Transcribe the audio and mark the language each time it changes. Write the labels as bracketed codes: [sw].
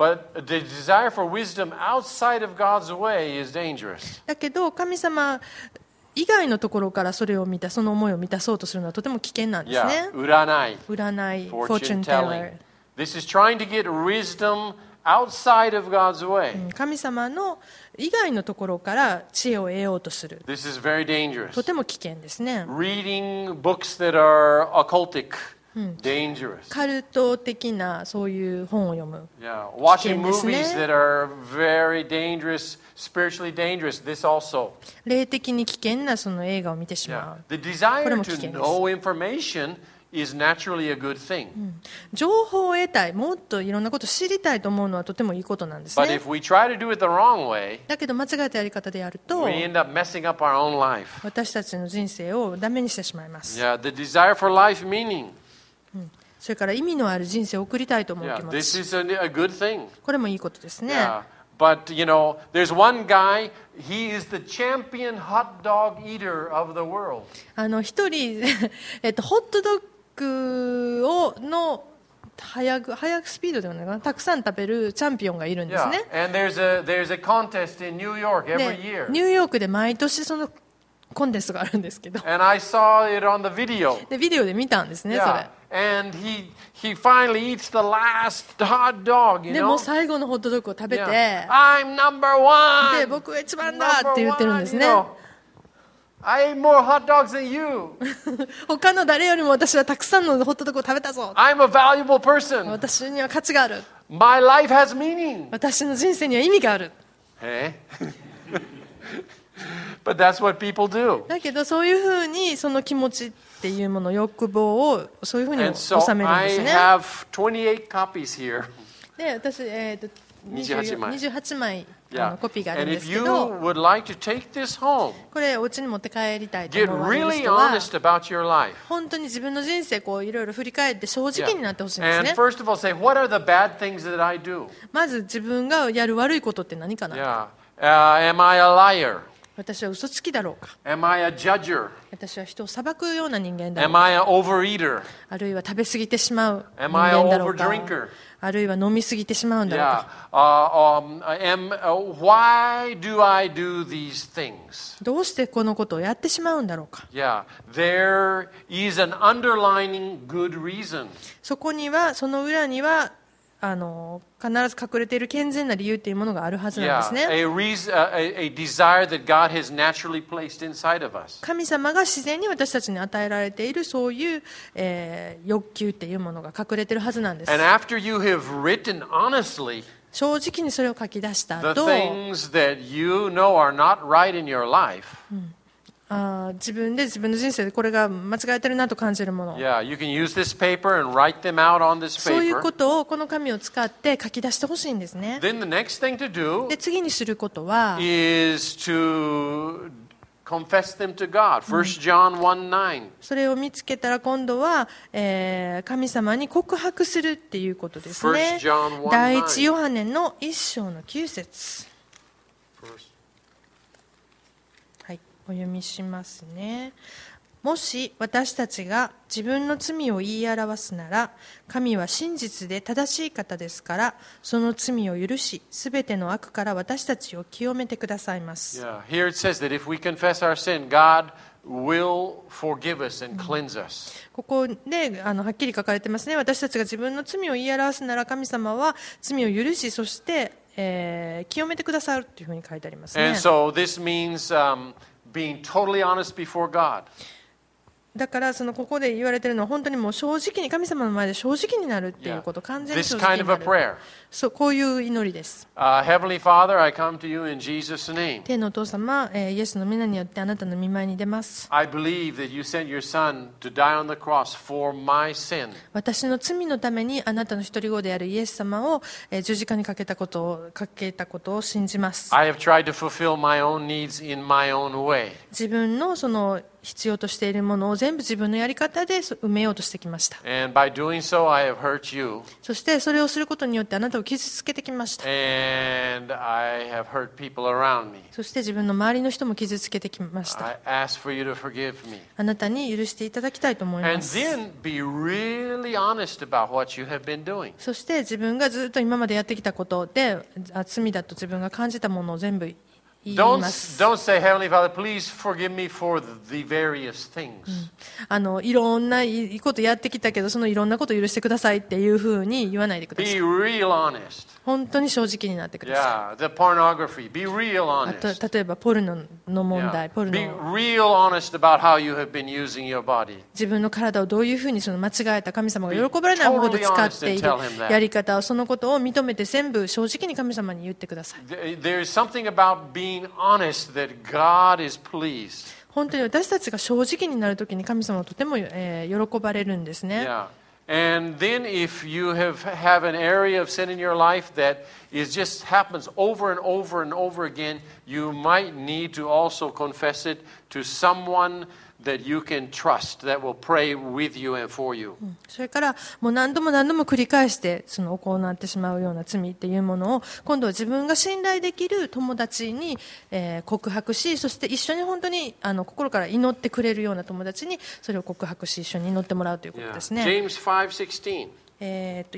[en] But the desire for wisdom outside of God's way is dangerous. [ja] だけど神様以外のところからそれを見たその思いを満たそうとするのはとても危険なんですね。占い、フォーチュンテラー。 [en] This is trying to get wisdom outside of God's way. [ja] 神様の以外のところから知恵を得ようとする。 [en] This is very dangerous. [ja] とても危険ですね。 [en] Reading books that are occultic, dangerous. [ja] カルト的なそういう本を読む。 [en] Yeah, watching movies that are very dangerous. Spiritually dangerous, this also. [ja] 霊的に危険なその映画を見てしまう。 [en] Yeah. The desire to know information is naturally a good thing. [ja] 情報を得たい、もっといろんなことを知りたいと思うのはとてもいいことなんですね。 [en] But if we try to do it the wrong way, [ja] だけど間違えたやり方でやると、 [en] we end up messing up our own life. [ja] 私たちの人生をダメにしてしまいます。 [en] Yeah, the desire for life meaning. [ja] それから意味のある人生を送りたいと思う気持ち。 [en] Yeah, this is a good thing. [ja] これもいいことですね。 [en] Yeah. But you know, there's one guy. He is the champion hot dog eater of the world. [ja] 一人ホットドッグをの速くスピードではないかな、たくさん食べるチャンピオンがいるんですね。 [en] Yeah. And there's a contest in New York every year. [ja] ニューヨークで毎年そのコンテストがあるんですけど。 [en] And I saw it on the video. [ja] で、ビデオで見たんですね、それ。 [en] Yeah. And he finally eats the last hot dog, you know? [ja] でも最後のホットドッグを食べて、 [en] yeah. I'm number one! [ja] で僕が一番だって言ってるんですね。 [en] I ate more hot dogs than you. [ja] 他の誰よりも私はたくさんのホットドッグを食べたぞ。 [en] I'm a valuable person. [ja] 私には価値がある。 [en] My life has meaning. [ja] 私の人生には意味がある。 [en] But that's what people do. [ja] だけどそういうふうにその気持ちっていうもの、欲望をそういうふうに収めるんですね。 [en] And so I have 28 copies here. [ja] で、私28枚のコピーがあるんですけど、 [en] And if you would like to take this home, [ja] これお家に持って帰りたいと思われる人は、 [en] Get really honest about your life. [ja] 本当に自分の人生こういろいろ振り返って正直になってほしいんですね。 [en] And first of all, say what are the bad things that I do? [ja] まず自分がやる悪いことって何かな。 [en] Yeah. Am I a liar? [ja] 私は嘘つきだろうか。 [en] Am I a judger? [ja] 私は人を裁くような人間だろう [en] か。Am I an overeater? [ja] あるいは食べ過ぎてしまう人間だろうか。 [en] Am I an overdrinker? [ja] あるいは飲み過ぎてしまうんだろうか。 [en] Yeah. Why do I do these things? [ja] どうしてこのことをやってしまうんだろうか。 [en] Yeah. There is an underlying good reason. [ja] そこにはその裏には必ず隠れている健全な理由というものがあるはずなんですね。 [en] Yeah, a desire that God has naturally placed inside of us. [ja] 神様が自然に私たちに与えられているそういう、欲求というものが隠れているはずなんです。 [en] And after you have written honestly, [ja] 正直にそれを書き出した後 [en] the things that you know are not right in your life, [ja] 自分で自分の人生でこれが間違えてるなと感じるもの、 [en] yeah, you can use this paper and write them out on this paper. [ja] そういうことをこの紙を使って書き出してほしいんですね。 [en] Then the next thing to do [ja] で次にすることは [en] is to confess them to God. 1 John 1:9. [ja] それを見つけたら今度は、神様に告白するっていうことですね。 [en] 1 John 1:9. [ja] 第一ヨハネの1章の9節お読みしますね。もし私たちが自分の罪を言い表すなら、神は真実で正しい方ですから、その罪を許し、すべての悪から私たちを清めてくださいます。 [en] Yeah. Here it says that if we confess our sin, God will forgive us and cleanse us. [ja] ここで、はっきり書かれてますね。私たちが自分の罪を言い表すなら、神様は罪を許し、そして、清めてくださるというふうに書いてありますね。 [en] And so this means, being totally honest before God. [ja] だからそのここで言われているのは本当にもう正直に神様の前で正直になるっていうこと、完全に正直になる。 [en] This kind of a prayer. [ja] そう、こういう祈りです。 [en] Heavenly Father, I come to you in Jesus' name. [ja] 天のお父様、イエスの御名によってあなたの御前に出ます。 [en] I believe that you sent your Son to die on the cross for my sin. [ja] 私の罪のためにあなたの一人子であるイエス様を十字架にかけたことを信じます。 [en] I have tried to fulfill my own needs in my own way. [ja] 自分のその必要としているものを全部自分のやり方で埋めようとしてきました。 [en] And by doing so, I have hurt you. [ja] そしてそれをすることによってあなたを傷つけてきました。 [en] And I have hurt people around me. [ja] そして自分の周りの人も傷つけてきました。 [en] I ask for you to forgive me. [ja] あなたに許していただきたいと思います。 [en] And then be really honest about what you have been doing. [ja] そして自分がずっと今までやってきたことで罪だと自分が感じたものを全部 [en] Don't say, Heavenly Father, please forgive me for the various things. [ja] いろんないいことやってきたけど、そのいろんなこと許してくださいっていうふうに言わないでください。 [en] Be real honest. [ja] 本当に正直になってください。 [en] Yeah, the pornography. Be real honest. [ja] 例えばポルノの問題、ポルノ。 [en] Be real honest about how you have been using your body. [ja] 自分の体をどういうふうにその間違えた、神様が喜ばれない方法で使っているやり方を、そのことを認めて全部正直に神様に言ってください。 [en] There is something about being honest that God is pleased. [ja] 本当に私たちが正直になるときに神様はとても喜ばれるんですね。 [en] And then if you have an area of sin in your life that is just happens over and over and over again, you might need to also confess it to someone that you can trust, that will pray with you and for you. [ja] それからもう何度も何度も繰り返してその行ってしまうような罪っていうものを今度は自分が信頼できる友達に告白し、そして一緒に本当に心から祈ってくれるような友達にそれを告白し、一緒に祈ってもらうということですね。 [en] James 5:16.